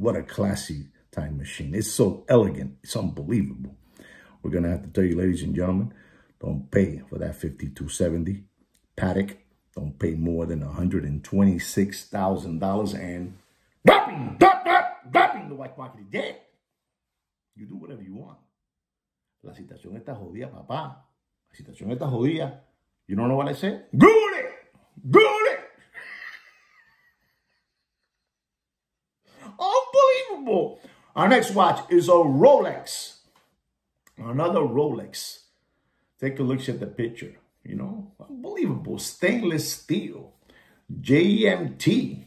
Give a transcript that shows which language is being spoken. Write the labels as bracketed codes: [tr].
[en] What a classy time machine. It's so elegant. It's unbelievable. We're gonna have to tell you, ladies and gentlemen, don't pay for that 5270 Patek. Don't pay more than $126,000 and dropping, dropping the white market is dead. You do whatever you want. [es] La situación está jodida, papá. La situación está jodida. [en] You don't know what I said? Google it! Google it! Unbelievable! Our next watch is a Rolex. Another Rolex. Take a look at the picture. You know, unbelievable. Stainless steel. JMT.